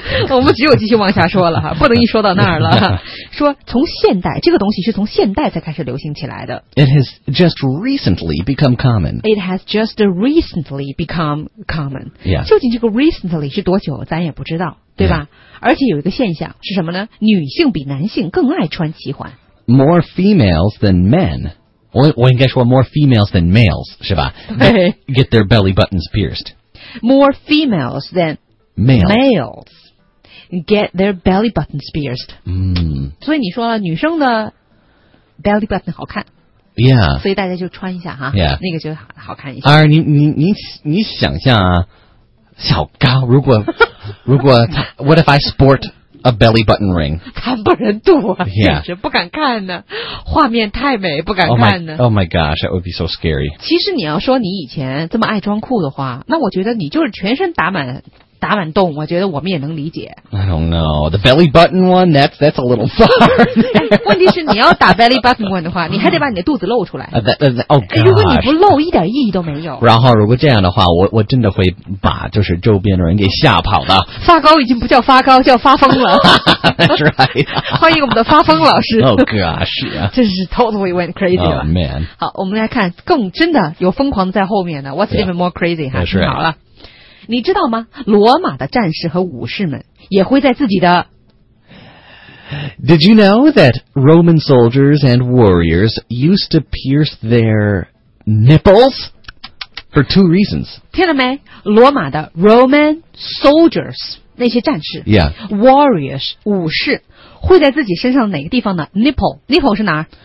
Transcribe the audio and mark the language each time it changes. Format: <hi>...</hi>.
<zh>我们只有继续往下说了哈，不能一说到那儿了。说从现代，这个东西是从现代才开始流行起来的。</zh> <en>It has just recently become common. It has just recently become common. Yeah.</en> <zh>究竟这个 recently 是多久，咱也不知道。对吧、</zh> <en>yeah.</en> <zh>而且有一个现象是什么呢女性比男性更爱穿奇环</zh> <en>More females than men</en> <zh>我应该说</zh> <en>more females than males</en> <zh>是吧对</zh> <en>Get their belly buttons pierced More females than males Get their belly buttons pierced、 mm.</en> <zh>所以你说了女生的 belly button 好看</zh> <en>Yeah</en> <zh>所以大家就穿一下哈、</zh> <en>yeah.</en> <zh>那个就 好看一下而你想象啊小高如果他</zh> <en>What if I sport a belly button ring?</en> <zh>惨不忍睹啊、</zh> <en>yeah.</en> <zh>简直不敢看呢画面太美不敢看呢</zh> <en>oh my gosh, that would be so scary.</en> <zh>其实你要说你以前这么爱装酷的话那我觉得你就是全身打满洞我觉得我们也能理解</zh> <en>I don't know The belly button one That's a little far</en> <zh>问题是你要打 belly button one 的话你还得把你的肚子露出来</zh> <en>Oh gosh</en> <zh>如果你不露一点意义都没有然后如果这样的话我真的会把就是周边的人给吓跑的发高已经不叫发高叫发疯了</zh> <en>That's right</en> <zh>欢迎我们的发疯老师</zh> <en>Oh gosh</en> <zh>真是</zh> <en>totally went crazy</en> <zh>了</zh> <en>Oh man</en> <zh>好我们来看更真的有疯狂在后面的 What's、</zh> <en>yeah. even more crazy、 huh? That's right</en> <zh>好了你知道吗？罗马的战士和武士们也会在自己的。</zh> <en>Did you know that Roman soldiers and warriors used to pierce their nipples for two reasons?</en> <zh>听了没？罗马的</zh> <en>Roman soldiers</en> <zh>那些战士</zh> <en>，Yeah，</en> <zh>warriors 武士会在自己身上哪个地方呢 ？Nipple 是哪儿？</zh>